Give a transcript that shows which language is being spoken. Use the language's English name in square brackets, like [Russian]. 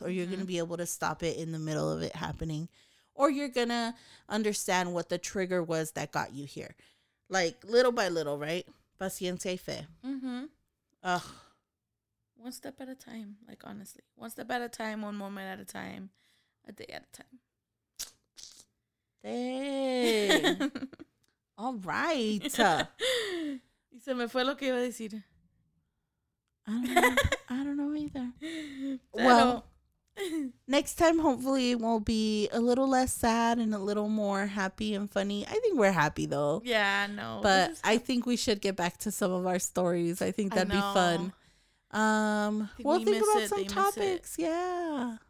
[English] Or you're going to be able to stop it in the middle of it happening. Or you're going to understand what the trigger was that got you here. Like, little by little, right? [Spanish] Paciencia y fe. [English] Ugh. One step at a time. Like, honestly. One step at a time, one moment at a time, a day at a time. Dang. All right. [Spanish] Se me fue lo que iba a decir. [English] I don't know either. Well, next time, hopefully, we'll be a little less sad and a little more happy and funny. I think we're happy, though. Yeah, no. But I think we should get back to some of our stories. I think that'd be fun. We'll think about some topics. Yeah.